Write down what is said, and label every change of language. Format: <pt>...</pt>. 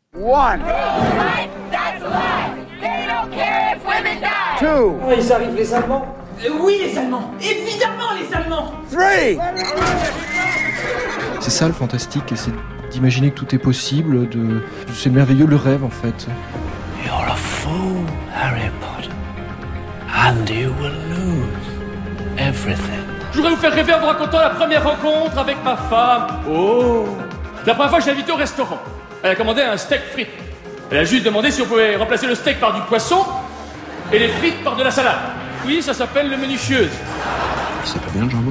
<en>One. That's life. They don't care if women die. Two.</en> <fr>Ils arrivent, les Allemands. Oui, les Allemands. Évidemment, les Allemands.</fr> <en>Three.</en> <fr>C'est ça le fantastique, et c'est d'imaginer que tout est possible, de c'est merveilleux le rêve en fait.</fr> <en>You're a fool, Harry Potter, and you will lose everything.</en> <fr>Je voudrais vous faire rêver en vous racontant la première rencontre avec ma femme. Oh, la première fois que je l'ai invitée au restaurant, elle a commandé un steak frites. Elle a juste demandé si on pouvait remplacer le steak par du poisson et les frites par de la salade. Oui, ça s'appelle le menucheuse. C'est pas bien le jambon?</fr>